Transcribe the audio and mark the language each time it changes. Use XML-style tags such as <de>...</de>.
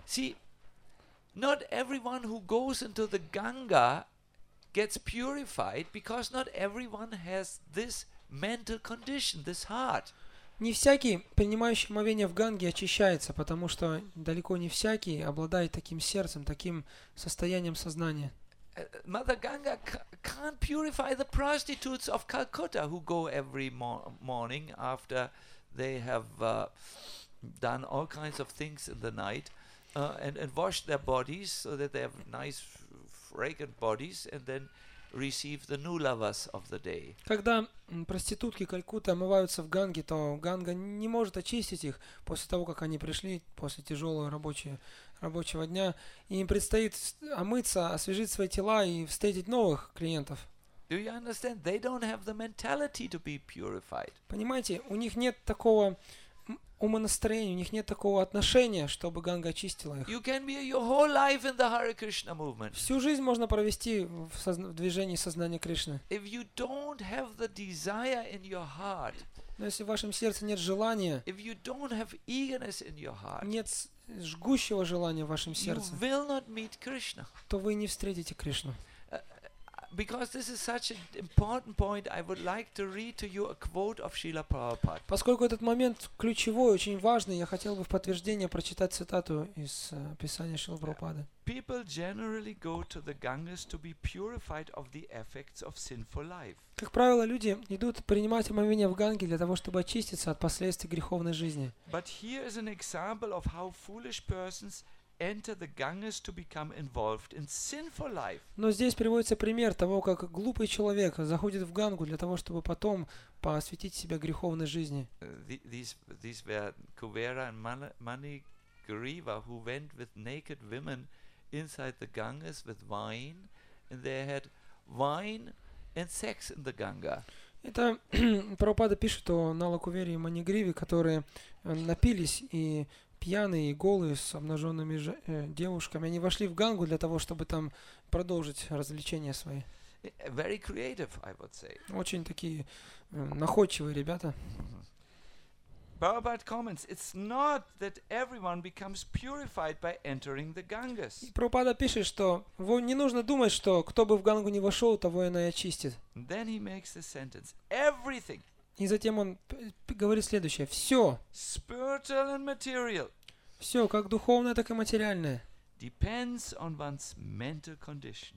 <en>See, not everyone who goes into the Ganga gets purified because not everyone has this mental condition, this heart.</en> <ru>Не всякий, принимающий омовение в Ганге, очищается, потому что далеко не всякий обладает таким сердцем, таким состоянием сознания.</ru> <en>Mother Ganga can't purify the prostitutes of Calcutta who go every morning after they have done all kinds of things in the night and washed their bodies so that they have nice fragrant bodies and then receive the new lovers of the day.</en> <ru>Когда проститутки Калькутты омываются в Ганге, то Ганга не может очистить их после того, как они пришли после тяжелого рабочего дня, и им предстоит омыться, освежить свои тела и встретить новых клиентов.</ru> <en>Do you understand? They don't have the mentality to be purified.</en> <ru>Понимаете, у них нет такого умонастроения, у них нет такого отношения, чтобы Ганга очистила их.</ru> <en>You can be your whole life in the Hare Krishna movement.</en> <ru>Всю жизнь можно провести в движении сознания Кришны.</ru> <en>If you don't have the desire in your heart,</en> <ru>но если в вашем сердце нет желания,</ru> <en>if you don't have eagerness in your heart,</en> <ru>нет жгущего желания в вашем сердце,</ru> <en>you will not meet Krishna.</en> <ru>То вы не встретите Кришну.</ru> <en>Because this is such an important point, I would like to read to you a quote of Srila Prabhupada.</en> <ru>Поскольку этот момент ключевой, очень важный, я хотел бы в подтверждение прочитать цитату из писания Шрилы Прабхупады.</ru> <en>People generally go to the Ganges to be purified of the effects of sinful life.</en> <ru>Как правило, люди идут принимать омовение в Ганге для того, чтобы очиститься от последствий греховной жизни.</ru> <en>But here is an example of how foolish persons enter the Ganges to become involved in sinful life.</en> <ru>Но здесь приводится пример того, как глупый человек заходит в Гангу для того, чтобы потом посвятить себя греховной жизни.</ru> <en>These were Kuvera and Manigriva who went with naked women inside the Ganges with wine, and they had wine and sex in the Ganga.</en> <ru>Это Прабхупада пишет о Нала Кувере и Манигриве, которые напились и пьяные и голые с обнаженными девушками, они вошли в Гангу для того, чтобы там продолжить развлечения свои.</ru> <en>Very creative, I would say.</en> <ru>Очень такие находчивые ребята.</ru> <en>Prabhupada comments, it's not that everyone becomes purified by entering the Ganges.</en> <ru>Прабхупада пишет, что не нужно думать, что кто бы в Гангу не вошел, того она и очистит.</ru> <en>Then he makes the sentence, everything.</en> <ru>И затем он говорит следующее. Все.</ru> <en>Spiritual and material.</en> <ru>Все, как духовное, так и материальное.</ru> <en>Depends on one's mental condition.</en>